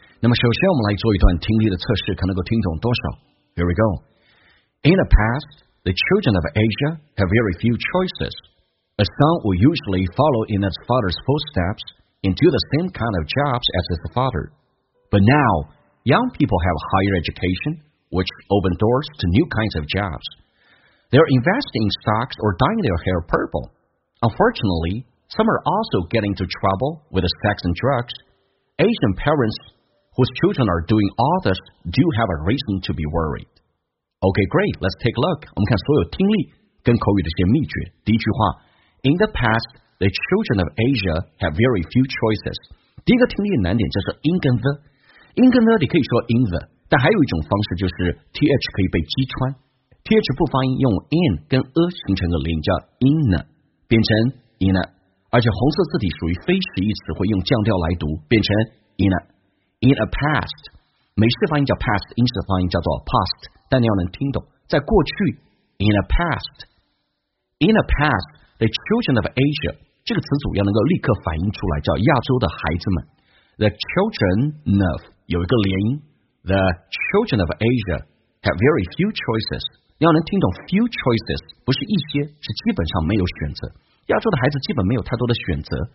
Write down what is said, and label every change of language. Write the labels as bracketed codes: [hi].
[zh] 那么首先我们来做一段听力的测试，看能够听懂多少。 [en] Here we go. In the past, the children of Asia have very few choices. A son will usually follow in his father's footsteps and do the same kind of jobs as his father. But now, young people have higher education, which open doors to new kinds of jobs. They're investing in stocks or dyeing their hair purple. Unfortunately, some are also getting into trouble with sex and drugs. Asian parents whose children are doing all this do have a reason to be worried. Okay, great. Let's take a look. [zh] 我们看所有听力跟口语的一些秘诀。第一句话 [en] ,In the past, the children of Asia have very few choices. [zh] 第一个听力的难点就是 in 跟 the。in 跟 the 你可以说 in the, 但还有一种方式就是 th 可以被击穿。 th 不发音，用 in 跟 a 形成的连叫 in， 变成 in， 而且红色字体属于非实义词，会用降调来读，变成 in。 in a past， 美式发音叫 past， 英式发音叫做 past， 但你要能听懂，在过去 in a past， in a past， [en] the children of Asia [zh] 这个词组要能够立刻反映出来，叫亚洲的孩子们。 [en] the children of [zh] 有一个连音 [en] ，the children of Asia have very few choices。 [zh] 你要能听懂 few choices， 不是一些，是基本上没有选择。亚洲的孩子基本没有太多的选择。